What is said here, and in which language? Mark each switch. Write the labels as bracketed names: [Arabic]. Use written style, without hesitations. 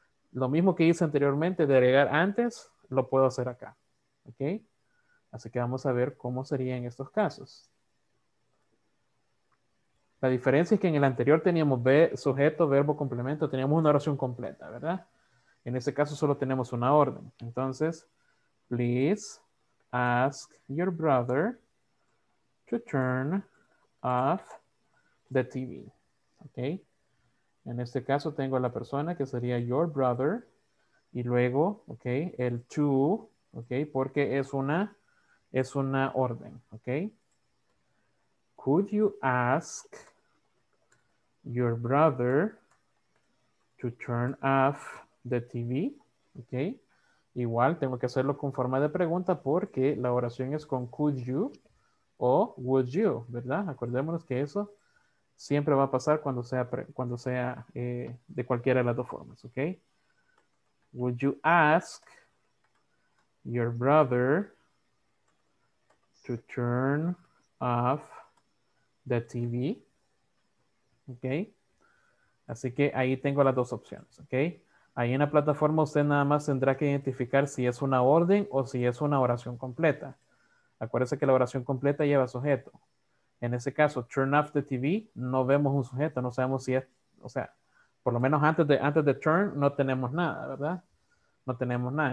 [Spanish] Lo mismo que hice anteriormente de agregar antes, lo puedo hacer acá, ¿ok? Así que vamos a ver cómo sería en estos casos. La diferencia es que en el anterior teníamos sujeto, verbo, complemento, teníamos una oración completa, ¿verdad? En este caso solo tenemos una orden. [English] Entonces, please ask your brother to turn off the TV. [Spanish] ¿Ok? En este caso tengo a la persona que sería your brother y luego, ¿ok? El to, ¿ok? Porque es una orden, ¿ok? [English] Could you ask your brother to turn off the TV, ¿ok? [Spanish] Igual tengo que hacerlo con forma de pregunta porque la oración es con could you o would you, ¿verdad? Acordémonos que eso siempre va a pasar cuando sea, de cualquiera de las dos formas, ¿ok? [English] Would you ask your brother to turn off the TV? ¿Ok? [Spanish] Así que ahí tengo las dos opciones, ¿ok? Ahí en la plataforma usted nada más tendrá que identificar si es una orden o si es una oración completa. Acuérdese que la oración completa lleva sujeto. En ese caso, [English] turn off the TV, [Spanish] no vemos un sujeto, no sabemos si es, o sea, por lo menos antes de turn no tenemos nada, ¿verdad? No tenemos nada.